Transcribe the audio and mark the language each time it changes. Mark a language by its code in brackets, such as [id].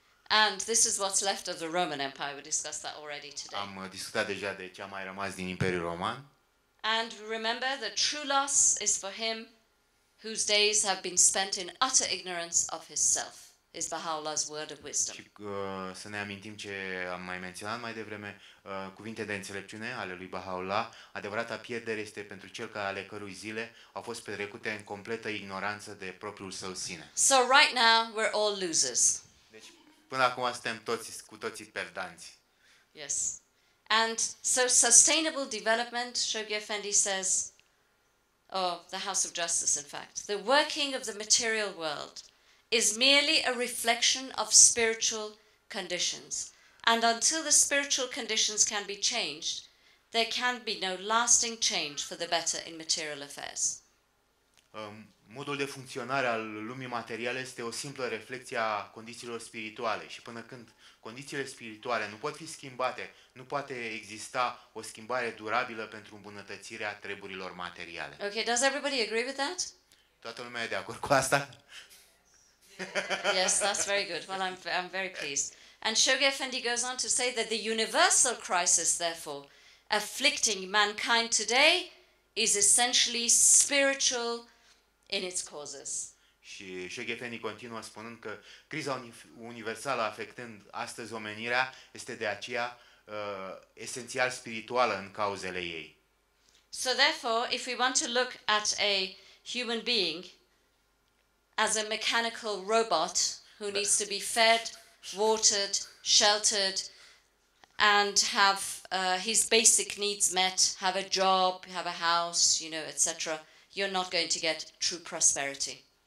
[en] And this is what's left of the Roman Empire. We discussed that already today. [ro] Am discutat deja de ce a mai rămas din Imperiul Roman. [en] And remember, the true loss is for him whose days have been spent in utter ignorance of himself. Is Baha'u'llah's word of wisdom. [ro] Și să ne amintim ce am mai menționat mai devreme, cuvinte de înțelepciune ale lui Baha'u'llah. Adevărata pierdere este pentru cel care ale cărui zile au fost petrecute în completă ignoranță de propriul său sine. [en] So right now we're all losers. [ro] Deci până acum suntem cu toții perdanți. [en] Yes. And so sustainable development, Shoghi Effendi says, or the House of Justice in fact, the working of the material world is merely a reflection of spiritual conditions. And until the spiritual conditions can be changed, there can be no lasting change for the better in material affairs. [ro] Modul de funcționare al lumii materiale este o simplă reflecție a condițiilor spirituale. Și până când condițiile spirituale nu pot fi schimbate, nu poate exista o schimbare durabilă pentru îmbunătățirea treburilor materiale. [en] Okay, does everybody agree with that? [ro] Toată lumea e de acord cu asta? [en] Yes, that's very good. Well, I'm very pleased. And Shoghi Effendi goes on to say that the universal crisis, therefore, afflicting mankind today, is essentially spiritual in its causes. [ro] Și Shoghi Effendi continuă spunând că criza universală afectând astăzi omenirea este de aceea esențial spirituală în cauzele ei. [en] So therefore, if we want to look at a human being as a mechanical robot who needs to be fed, watered, sheltered, and have his basic needs met, have a job, have a house, you know, etc., you're not going to get true prosperity.